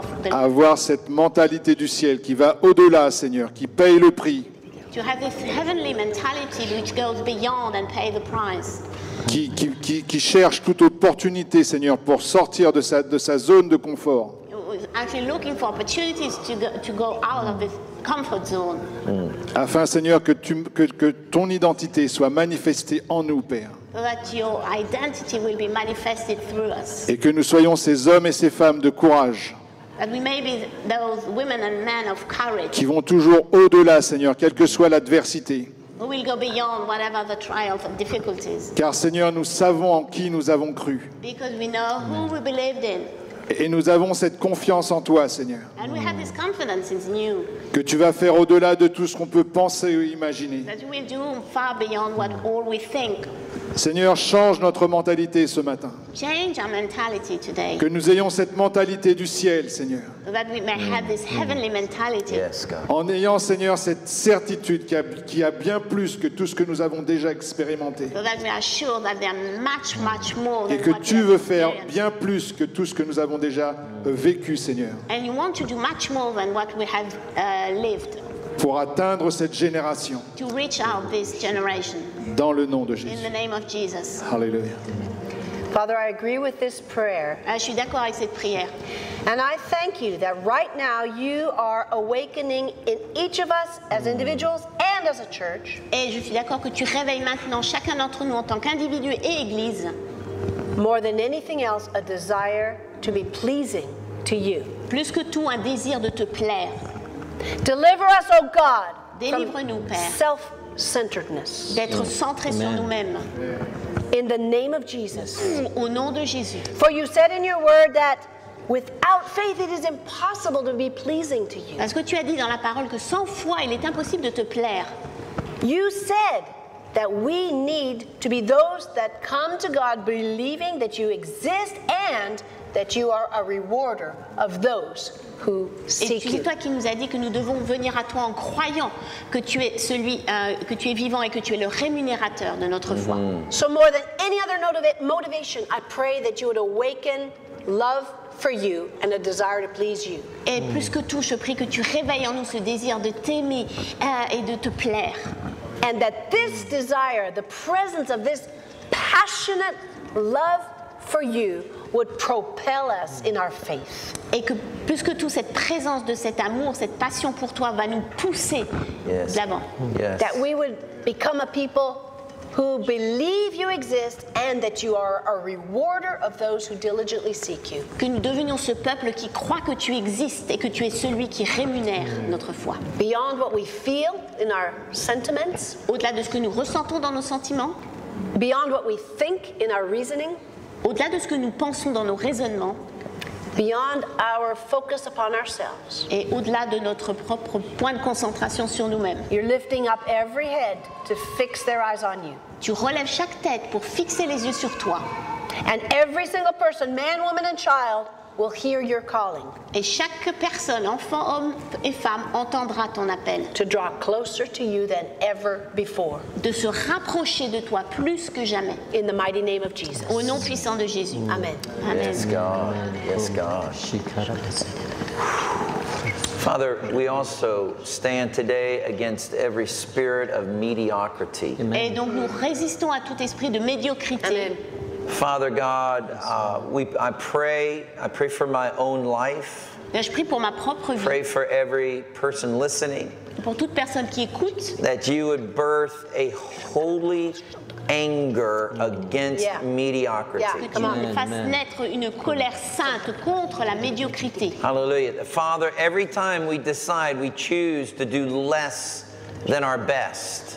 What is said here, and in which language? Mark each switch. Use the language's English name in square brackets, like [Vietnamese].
[French] Avoir cette mentalité du ciel qui va au-delà, Seigneur, qui paye le prix. [English] To have this heavenly mentality which goes beyond and pay the price. [French] Qui cherche toute opportunité, Seigneur, pour sortir de sa zone de confort. [English] Actually looking for opportunities to go out of this comfort zone. [French] Afin, Seigneur, que ton identité soit manifestée en nous, Père. [English] So that your identity will be manifested through us. [French] Et que nous soyons ces hommes et ces femmes de courage. [English] That we may be those women and men of courage. [French] Qui vont toujours au-delà, Seigneur, quelle que soit l'adversité. [English] We will go beyond whatever the trials and difficulties. [French] Car, Seigneur, nous savons en qui nous avons cru. [English] Because we know who we believed in. [French] Et nous avons cette confiance en toi, Seigneur. [English] And we have this confidence in you. [French] Que tu vas faire au-delà de tout ce qu'on peut penser ou imaginer. [English] That you will do far beyond what all we think. [French] Seigneur, change notre mentalité ce matin. [English] Change our mentality today. [French] Que nous ayons cette mentalité du ciel, Seigneur. [English] So that we may have this heavenly mentality. Yes, God. [French] En ayant, Seigneur, cette certitude qui a bien plus que tout ce que nous avons déjà expérimenté. [English] So that we are sure that there are much, much more. [French] Et que tu veux faire bien plus que tout ce que nous avons déjà vécu, Seigneur. [English] And you want to do much more than what we have lived. [French] Pour atteindre cette génération. [English] To reach out this generation. [French] Dans le nom de Jésus. [English] In the name of Jesus. Hallelujah. Father, I agree with this prayer. [French] Je suis d'accord avec cette prière. [English] And I thank you that right now you are awakening in each of us as individuals and as a church. [French] Et je suis d'accord que tu réveilles maintenant chacun d'entre nous en tant qu'individu et église. [English] More than anything else, a desire to be pleasing to you. [French] Plus que tout, un désir de te plaire. [English] Deliver us, O God. [French] Délivre-nous, Père. [English] Self-centeredness. [French] D'être centré sur nous-mêmes. [English] In the name of Jesus. [French] Au nom de Jésus. [English] For you said in your word that without faith it is impossible to be pleasing to you. [French] Parce que tu as dit dans la parole que sans foi il est impossible de te plaire. [English] You said that we need to be those that come to God believing that you exist and that you are a rewarder of those who seek you. [French] Et c'est toi qui nous as dit que nous devons venir à toi en croyant que tu es celui que tu es vivant et que tu es le rémunérateur de notre foi. [English] So more than any other motivation, I pray that you would awaken love for you and a desire to please you. [French] Et plus que tout, je prie que tu réveilles en nous ce désir de t'aimer et de te plaire. [English] And that this desire, the presence of this passionate love for you would propel us in our faith. [French] Et que plus que tout, cette présence de cet amour, cette passion pour toi va nous pousser d'avant. [English] Yes. That we would become a people who believe you exist and that you are a rewarder of those who diligently seek you. [French] Que nous devenions ce peuple qui croit que tu existes et que tu es celui qui rémunère notre foi. [English] Beyond what we feel in our sentiments, [French] au-delà de ce que nous ressentons dans nos sentiments, [English] beyond what we think in our reasoning, [French] au-delà de ce que nous pensons dans nos raisonnements, [English] beyond our focus upon ourselves, [French] et au-delà de notre propre point de concentration sur nous-mêmes, [English] you're lifting up every head to fix their eyes on you. [French] Tu relèves chaque tête pour fixer les yeux sur toi. [English] And every single person, man, woman, and child, will hear your calling. [French] Et chaque personne, enfant, homme et femme, entendra ton appel. [English] To draw closer to you than ever before. [French] De se rapprocher de toi plus que jamais. [English] In the mighty name of Jesus. [French] Au nom puissant de Jésus. Amen. Amen. [English] Yes, God. Yes, God. Father, we also stand today against every spirit of mediocrity. [French] Et donc nous résistons à tout esprit de médiocrité. Amen. [English] Father God, I pray for my own life. [French] Je prie pour ma propre vie. [English] Pray for every person listening. [French] Pour toute personne qui écoute. [English] That you would birth a holy anger against mediocrity. Yeah. [French] Que tu fasses naître une colère sainte contre la médiocrité. Hallelujah. [English] Father, every time we decide, we choose to do less than our best.